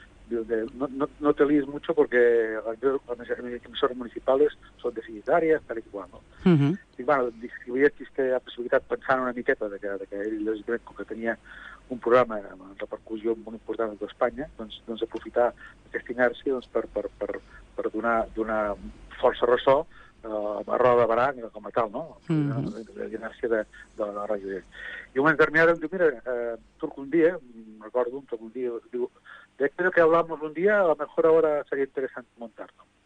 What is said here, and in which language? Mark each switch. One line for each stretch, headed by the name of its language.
Spanish: no te líes mucho porque las emisoras municipales son deficitarias, tal y cual, ¿no?
Catalan: Uh-huh. I, bueno, si veies que hi ha possibilitat pensant una miqueta de que ell, com que tenia un programa amb repercussió molt important a Espanya, doncs aprofitar aquesta inèrcia doncs, per donar força ressò a Roda de Barà, com a tal, no? Uh-huh. L'inèrcia de la ràdio. I un moment determinat em diu, mira, truco un dia, recordo, truco un dia, diu,
Spanish: creo que hablamos un día, a lo mejor ahora sería interesante montarlo.